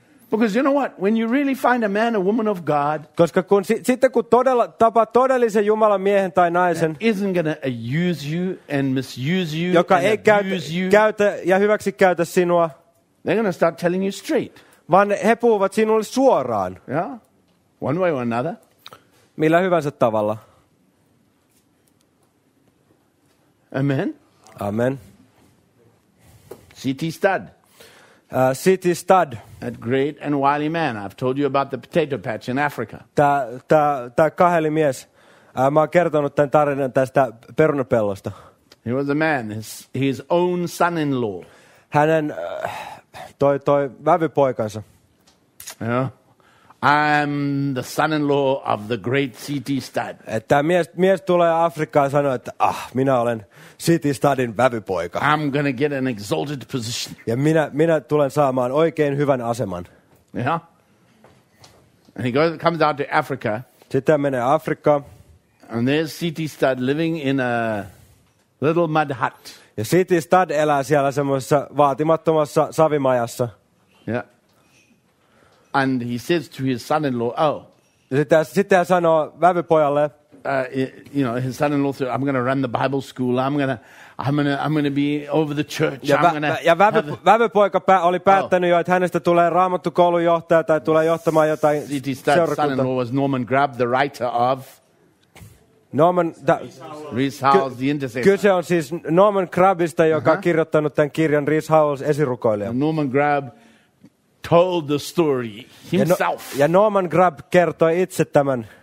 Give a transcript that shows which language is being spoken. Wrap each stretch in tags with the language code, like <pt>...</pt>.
<en>Because you know what, when you really find a man or woman of God,</en> <fi>koska kun sitten kun tapaa todellisen Jumalan miehen tai naisen,</fi> <en>isn't going to use you and misuse you,</en> <fi>joka</fi> <en>and</en> <fi>ei</fi> <en>abuse</en> <fi>käytä ja hyväksi käytä sinua,</fi> <en>they're going to start telling you straight.</en> <fi>Vaan he puhuvat sinulle suoraan.</fi> <en>Yeah, one way or another.</en> <fi>Millä hyvänsä tavalla.</fi> <en>Amen. Amen. City stud. City stud. That great and wily man. I've told you about the potato patch in Africa.</en> <fi>Tää kaheli mies. Mä oon kertonut tän tarinan tästä perunapellosta.</fi> <en>He was a man. His own son-in-law.</en> <fi>Hänen toi vävypoikansa.</fi> <en>Yeah. I'm the son-in-law of the great city stud.</en> <fi>Että mies tulee Afrikkaan ja sanoo, että minä olen City Studin vävypoika.</fi> <en>I'm gonna get an exalted position.</en> <fi>Ja minä tulen saamaan oikein hyvän aseman.</fi> <en>Yeah. And he comes out to Africa.</en> <fi>Sitten menee Afrikkaan.</fi> <en>And there's City Stud living in a little mud hut.</en> <fi>Ja City Stud elää siellä semmoisessa vaatimattomassa savimajassa.</fi> <en>Yeah. And he says to his son-in-law, oh.</en> <fi>Sitten hän sanoo vävypojalle.</fi> <en>You know, his son-in-law said, I'm going to run the Bible school. I'm going to be over the church.</en> <fi>Vävypoika oli päättänyt jo, että hänestä tulee raamattukoulun johtaja tai tulee johtamaan jotain seurakuntaa.</fi> <en>His son-in-law was Norman Grubb, the writer of Norman Rhys Howells, the intercessor.</en> <fi>Kyse on siis Norman Grubbista, joka on kirjoittanut tämän kirjan, Rhys Howells, esirukoilija.</fi> <en>Norman Grubb told the story himself.</en> <fi>Ja Norman Grubb kertoi itse tämän.</fi>